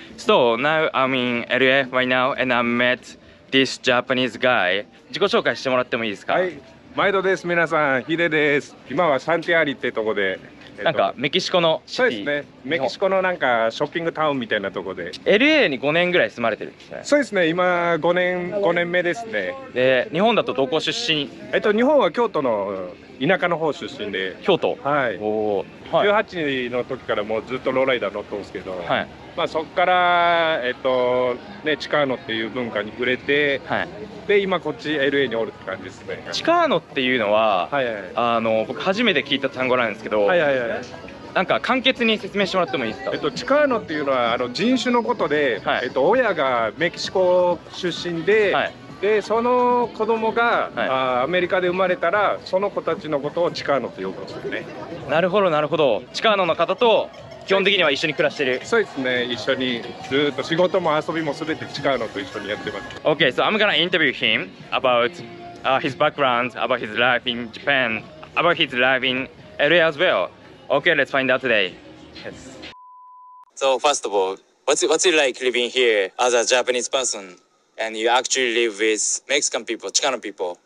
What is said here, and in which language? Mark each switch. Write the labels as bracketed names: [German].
[English] So now I'm in LA right now and I met this Japanese guy. [Japanese] 自己紹介してもらってもいいですか？はい、毎度です皆さん、ヒデです。今はサンティアリってとこで、なんかメキシコのシティ。そうですね、メキシコのなんかショッピングタウンみたいなとこで。 LA に5年ぐらい住まれてるんですね。そうですね、今5年目ですね。で、日本だとどこ出身？日本は京都の田舎の方出身で。京都。はい、おー、はい、18の時からもうずっとローライダー乗ってますけど、はい、まあ、そこから、ね、チカーノっていう文化に触れて、はい、で今こっち LA におるって感じですね。チカーノっていうのは、はいはい、僕初めて聞いた単語なんですけど、はいはいはい、なんか簡潔に説明してもらってもいいですか？チカーノっていうのはあの人種のことで、はい、親がメキシコ出身で、はい、でその子供が、はい、アメリカで生まれたらその子たちのことをチカーノと呼ぶんですよね。なるほどなるほど。チカーノの方と基本的には一緒に暮らしてる。そうですね、一緒にずっと仕事も遊びも全てチカーノと一緒にやってます。 [English] Okay, so I'm gonna interview him about his background, about his life in Japan, about his life in LA as well. Okay, let's find out today. Yes. So first of all, what's it like living here as a Japanese personAnd you actually live with Mexican people, Chicano people.